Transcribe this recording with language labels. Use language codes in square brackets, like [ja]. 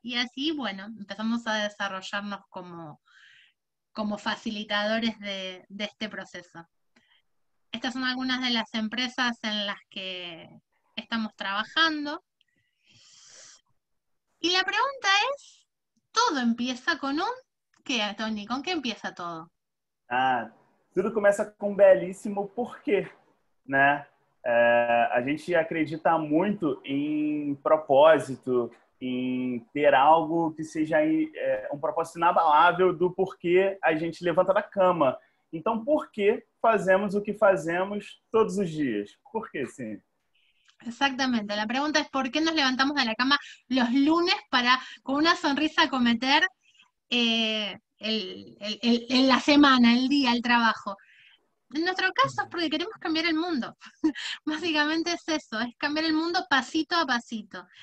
[es] Y así, bueno, empezamos a desarrollarnos como facilitadores de este proceso. Estas son algunas de las empresas en las que estamos trabajando. Y la pregunta es, todo empieza con un ¿qué, Tony? ¿Con qué empieza todo? [pt] Ah, tudo começa com um belíssimo porquê, né? A gente acredita muito em propósito, em ter algo que seja um propósito inabalável do porquê a gente levanta da cama. Então, por que fazemos o que fazemos todos os dias? Por que, sim? [es] Exactamente, la pregunta es por qué nos levantamos de la cama los lunes para con una sonrisa acometer el la semana, el día, el trabajo. En nuestro caso es porque queremos cambiar el mundo. Básicamente es eso, es cambiar el mundo pasito a pasito.